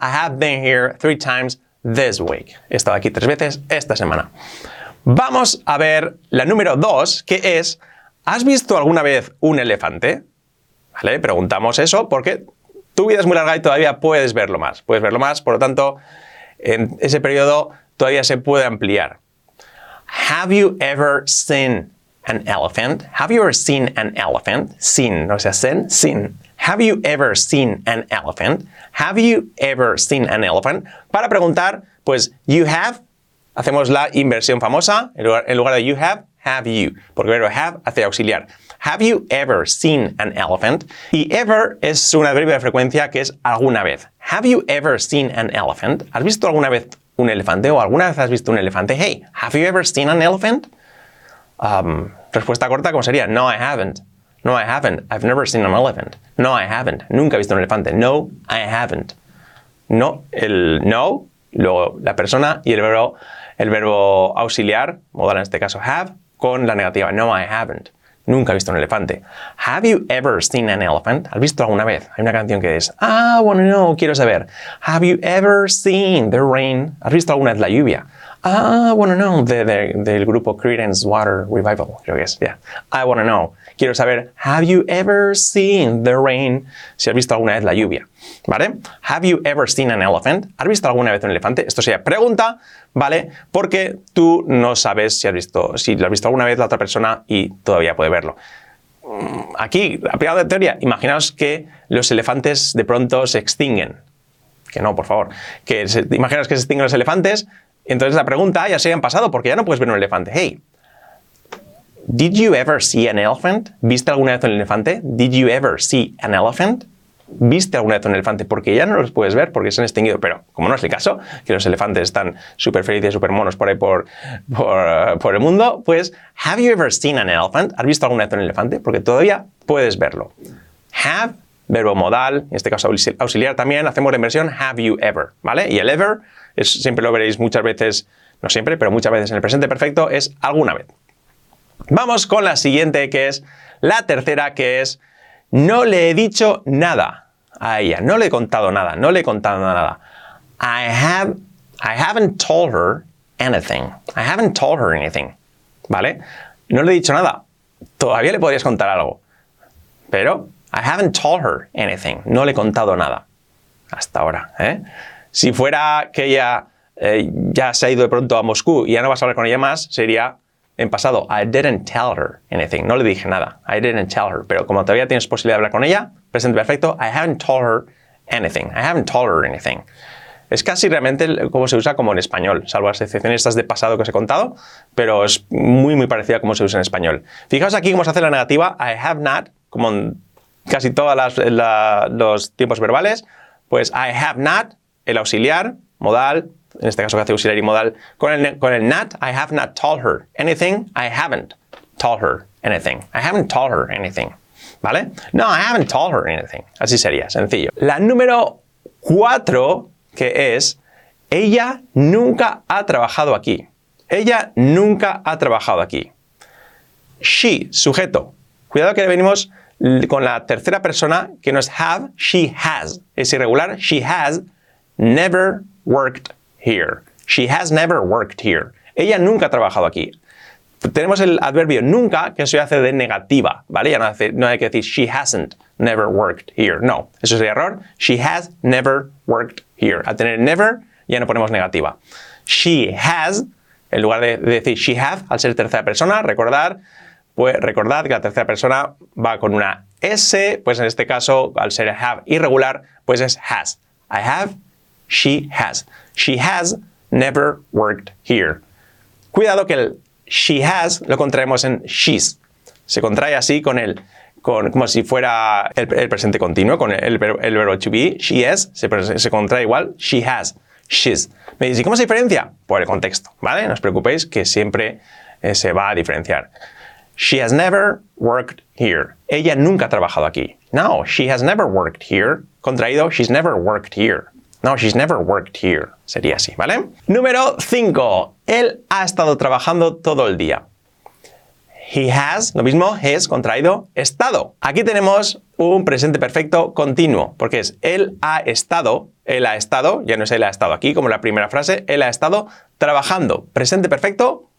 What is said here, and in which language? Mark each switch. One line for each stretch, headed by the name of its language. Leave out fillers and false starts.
English: I have been here 3 times this week.
Spanish: He estado aquí 3 veces esta semana. Vamos a ver la número 2, que es, ¿Has visto alguna vez un elefante? ¿Vale? Preguntamos eso porque tu vida es muy larga y todavía puedes verlo más. Puedes verlo más, por lo tanto, en ese periodo todavía se puede ampliar.
English: Have you ever seen an elephant? Have you ever seen an elephant? Seen,
Spanish: no sea
English: seen, seen. Have you ever seen an elephant? Have you ever seen an elephant?
Spanish: Para preguntar, pues you have, hacemos la inversión famosa, en lugar de you have you, porque el verbo have hace auxiliar.
English: Have you ever seen an elephant?
Spanish: Y ever es un adverbio de frecuencia que es alguna vez.
English: Have you ever seen an elephant?
Spanish: ¿Has visto alguna vez un elefante o alguna vez has visto un elefante?
English: Hey, have you ever seen an elephant?
Spanish: Respuesta corta, ¿cómo sería?
English: No, I haven't. No, I haven't. I've never seen an elephant. No, I haven't.
Spanish: Nunca he visto un elefante.
English: No, I haven't.
Spanish: No, el no, luego la persona y el verbo auxiliar, modal en este caso have, con la negativa.
English: No, I haven't.
Spanish: Nunca he visto un elefante.
English: Have you ever seen an elephant?
Spanish: ¿Has visto alguna vez? Hay una canción que es, ah, bueno, no, quiero saber.
English: Have you ever seen the rain?
Spanish: ¿Has visto alguna vez la lluvia? Ah, bueno, no, del grupo Creedence Water Revival, creo que es, yeah.
English: I wanna know,
Spanish: quiero saber,
English: have you ever seen the rain?
Spanish: Si has visto alguna vez la lluvia, ¿vale?
English: Have you ever seen an elephant?
Spanish: ¿Has visto alguna vez un elefante? Esto sería pregunta, ¿vale? Porque tú no sabes si lo has visto alguna vez la otra persona y todavía puede verlo. Aquí, aplicando la teoría, imaginaos que los elefantes de pronto se extinguen. Que no, por favor. Imaginaos que se extinguen los elefantes. Entonces la pregunta ya se han pasado porque ya no puedes ver un elefante.
English: Hey, did you ever see an elephant?
Spanish: ¿Viste alguna vez un elefante?
English: Did you ever see an elephant?
Spanish: ¿Viste alguna vez un elefante? Porque ya no los puedes ver porque se han extinguido. Pero como no es el caso, que los elefantes están súper felices, súper monos por ahí por el mundo, pues,
English: have you ever seen an elephant?
Spanish: ¿Has visto alguna vez un elefante? Porque todavía puedes verlo. Have, verbo modal, en este caso auxiliar también, hacemos la inversión have you ever, ¿vale? Y el ever, siempre lo veréis muchas veces, no siempre, pero muchas veces en el presente perfecto, es alguna vez. Vamos con la siguiente, que es la tercera, que es no le he dicho nada a ella, no le he contado nada, no le he contado nada.
English: I haven't told her anything. I haven't told her anything, ¿vale?
Spanish: No le he dicho nada. Todavía le podrías contar algo, pero
English: I haven't told her anything.
Spanish: No le he contado nada hasta ahora, ¿eh? Si fuera que ella ya se ha ido de pronto a Moscú y ya no vas a hablar con ella más, sería en pasado.
English: I didn't tell her anything.
Spanish: No le dije nada.
English: I didn't tell her.
Spanish: Pero como todavía tienes posibilidad de hablar con ella, presente perfecto.
English: I haven't told her anything. I haven't told her anything.
Spanish: Es casi realmente como se usa como en español, salvo las excepciones estas de pasado que os he contado, pero es muy, muy parecida a como se usa en español. Fijaos aquí cómo se hace la negativa.
English: I have not, como en casi todos los tiempos verbales, pues I have not, el auxiliar, modal, en este caso que hace auxiliar y modal, con el not, I have not told her anything,
Spanish: I haven't told her anything, I haven't told her anything, ¿vale? No,
English: I haven't told her anything,
Spanish: así sería, sencillo. La número 4, que es, ella nunca ha trabajado aquí, ella nunca ha trabajado aquí. She, sujeto, cuidado que venimos con la tercera persona, que no es have, she has, es irregular,
English: she has never worked here. She has never worked here.
Spanish: Ella nunca ha trabajado aquí. Tenemos el adverbio nunca, que eso ya hace de negativa, ¿vale? Ya no hay que decir
English: she hasn't never worked here.
Spanish: No, eso sería error.
English: She has never worked here.
Spanish: Al tener never, ya no ponemos negativa. She has, en lugar de decir she have, al ser tercera persona, recordar, pues recordad que la tercera persona va con una S, pues en este caso, al ser have irregular, pues es has.
English: I have, she has. She has never worked here.
Spanish: Cuidado que el she has lo contraemos en she's. Se contrae así con como si fuera el presente continuo, con el verbo to be. She is, se contrae igual, she has, she's. Me dice, ¿y cómo se diferencia? Por el contexto, ¿vale? No os preocupéis que siempre se va a diferenciar.
English: She has never worked here.
Spanish: Ella nunca ha trabajado aquí.
English: No, she has never worked here.
Spanish: Contraído,
English: she's never worked here. No, she's never worked here.
Spanish: Sería así, ¿vale? Número 5. Él ha estado trabajando todo el día. He has, lo mismo, has, contraído, estado. Aquí tenemos un presente perfecto continuo, porque es él ha estado, ya no es él ha estado aquí, como la primera frase, él ha estado trabajando. Presente perfecto